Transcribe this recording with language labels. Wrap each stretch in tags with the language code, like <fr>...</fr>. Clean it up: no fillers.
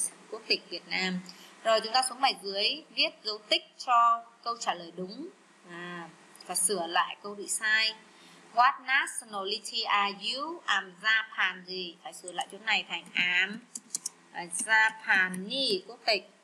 <vi>Quốc tịch Việt Nam. Rồi chúng ta xuống bài dưới, viết dấu tích cho câu trả lời đúng và sửa lại câu bị sai.</vi> <en>What nationality are you? I'm Japan gì?</en> <vi>Phải sửa lại chỗ này thành</vi> <en>I'm Japanese,</en> <vi>quốc tịch.</vi>